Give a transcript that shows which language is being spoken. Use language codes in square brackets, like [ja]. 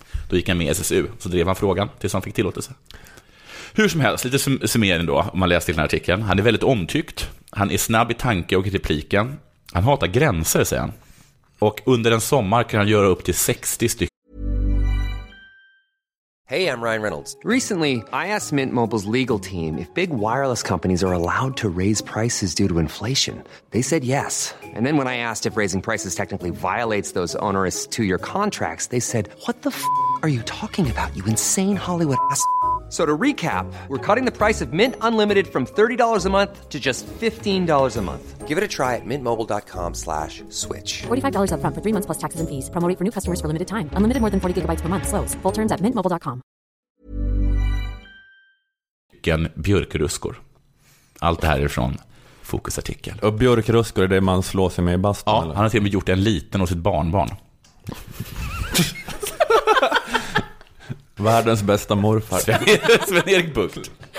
[sv] Då gick han med SSU, så drev han frågan tills han fick tillåtelse. Hur som helst, lite summering då, om man läste den här artikeln. Han är väldigt omtyckt. Han är snabb i tanke och i repliken. Han hatar gränser, säger han. Och under en sommar kan han göra upp till 60 stycken. [en] Hey, I'm Ryan Reynolds. Recently, I asked Mint Mobile's legal team if big wireless companies are allowed to raise prices due to inflation. They said yes. And then when I asked if raising prices technically violates those onerous two-year contracts, they said, what the f*** are you talking about, you insane Hollywood ass f***? So to recap, we're cutting the price of Mint Unlimited from $30 a month to just $15 a month. Give it a try at mintmobile.com/switch. $45 up front for 3 months plus taxes and fees. Promo rate for new customers for limited time. Unlimited more than 40 gigabytes per month. Slows full terms at mintmobile.com. [sv] Gen björkruskor. Allt det här är från Fokusartikel. Och björkruskor är det man slår sig med i bastun? Ja, eller? Han har till och med gjort en liten och sitt barnbarn. Världens bästa morfar. Sven-Erik Bucht.